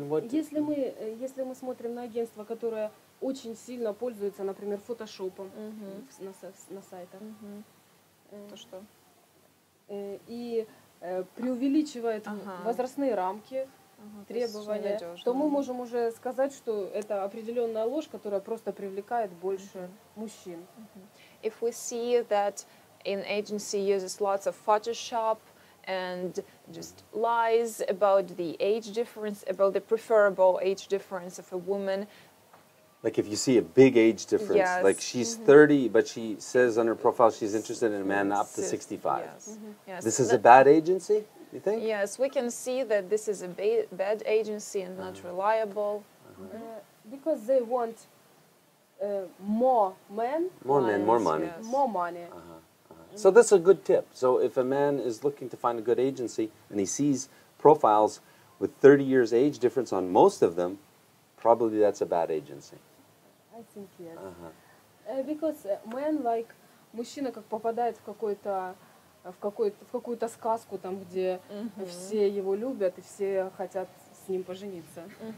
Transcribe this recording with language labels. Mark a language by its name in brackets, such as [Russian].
[Russian] Если мы, смотрим на агентство, которое очень сильно пользуется, например, фотошопом на сайтах, то что? И преувеличивает возрастные рамки, требования, то мы можем уже сказать, что это определенная ложь, которая просто привлекает больше мужчин. [English] If we see that an agency uses lots of Photoshop and just lies about the age difference, about the preferable age difference of a woman. Like if you see a big age difference, like she's 30, but she says on her profile she's interested in a man up to 65. This is a bad agency, you think? Yes, we can see that this is a bad agency and not reliable. Because they want more men. More men, more money. Yes. More money. So that's a good tip. So if a man is looking to find a good agency and he sees profiles with 30 years age difference on most of them, probably that's a bad agency. I think yes. Because men like [Russian] мужчина как попадает в какой-то в какую-то сказку там, где все его любят и все хотят с ним пожениться.